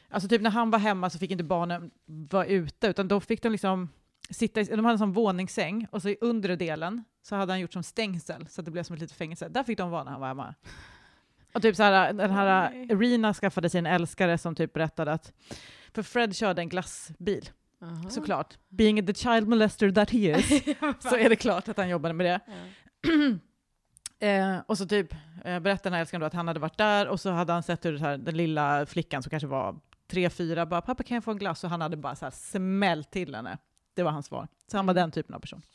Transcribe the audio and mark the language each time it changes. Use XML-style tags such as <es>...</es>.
<sv>Alltså typ när han var hemma så fick inte barnen vara ute, utan då fick de liksom sitta, de hade en sån våningssäng och så i undre delen så hade han gjort som stängsel så att det blev som ett litet fängelse. Där fick de vara när han var hemma. Och typ så här, den här Rina skaffade sin älskare som typ berättade att, för Fred körde en glassbil. Uh-huh. Såklart.</sv> <en>Being the child molester that he is.</en> <sv>Så är det klart att han jobbade med det. Mm. Och så typ berättade den älskaren då att han hade varit där och så hade han sett hur det här, den lilla flickan som kanske var 3-4 bara, pappa kan jag få en glass? Och han hade bara så här smält till henne. Det var hans svar. Så han var den typen av person.</sv>